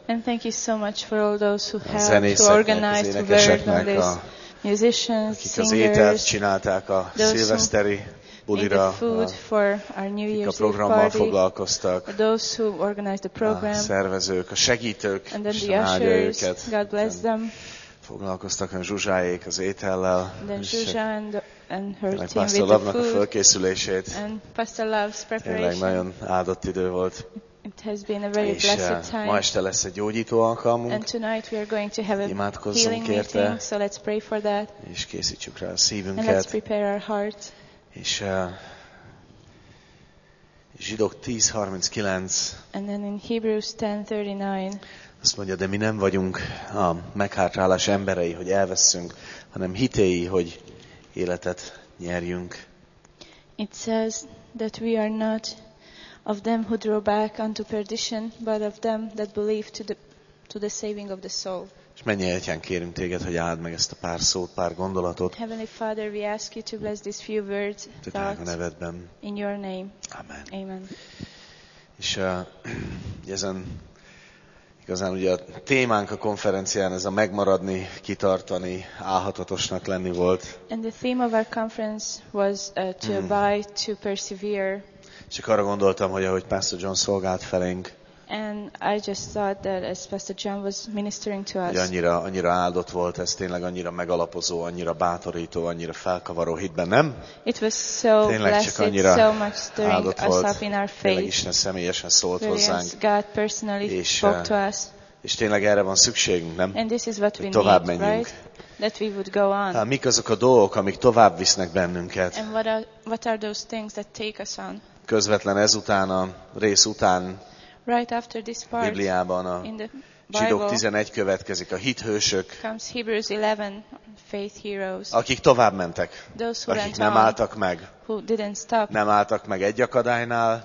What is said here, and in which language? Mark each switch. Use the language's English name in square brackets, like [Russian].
[English] And thank you so much for all those who helped to organize, to work on this. Musicians, [Hungarian] akik [English] singers, [Hungarian] az ételt csinálták a szilveszteri bulira, akik a programmal [English] party, [Hungarian] foglalkoztak, [English] those who organized the program, [Hungarian] a szervezők, a segítők, [English] and then the ushers, God bless them. [Hungarian] Foglalkoztak a Zsuzsájék az étellel, [English] and [Hungarian] Pastor Love-nak a fölkészülését. [English] And Pastor Love's preparation. [Hungarian] Tényleg nagyon áldott idő volt. [English] It has been a very blessed time. [Hungarian] Ma este lesz egy gyógyító alkalmunk. [English] And tonight we are going to have a healing meeting, so let's pray for that. [Hungarian] És készítsük rá a szívünket. [English] And let's prepare our heart. [Hungarian] És Zsidók 10:39. [English] And then in Hebrews 10:39. [Hungarian] Azt mondja, de mi nem vagyunk a meghátrálás emberei, hogy elvesszünk, hanem hitéi, hogy életet nyerjünk. [English] It says that we are not of them who draw back unto perdition, but of them that believe to the saving of the soul. [Hungarian] És mennyi Atyán, kérünk téged, hogy áld meg ezt a pár szót, pár gondolatot. [English] Heavenly Father, we ask you to bless these few words, thoughts, in your name. Amen. Amen. [Hungarian] És ezen igazán ugye a témánk a konferencián ez a megmaradni, kitartani, álhatatosnak lenni volt. [English] And the theme of our conference was to abide, to persevere. [Hungarian] Csak arra gondoltam, hogy ahogy Pastor John szolgált felénk. [English] And I just thought that as Pastor John was ministering to us. [Hungarian] Annyira áldott volt ez, tényleg annyira megalapozó, annyira bátorító, annyira felkavaró hitben, nem? [English] It was so blessed, so much stirring us up in our faith. [Hungarian] Tényleg Isten személyesen szólt hozzánk. [English] God personally spoke to us. [Hungarian] És tényleg erre van szükségünk, nem? [English] And this is what we [Hungarian] tovább [English] need, [Hungarian] menjünk. [English] Right? That we would go on. [Hungarian] Mik azok a dolgok, amik tovább visznek bennünket? [English] And what are those things that take us on? [Hungarian] Közvetlen ezután, a rész után, [English] right after this part, [Hungarian] Bibliában a Zsidók 11 következik, a hithősök, [English] comes Hebrews 11, faith heroes, [Hungarian] akik tovább mentek, [English] those who [Hungarian] akik nem álltak meg, [English] who didn't stop, [Hungarian] nem álltak meg egy akadálynál,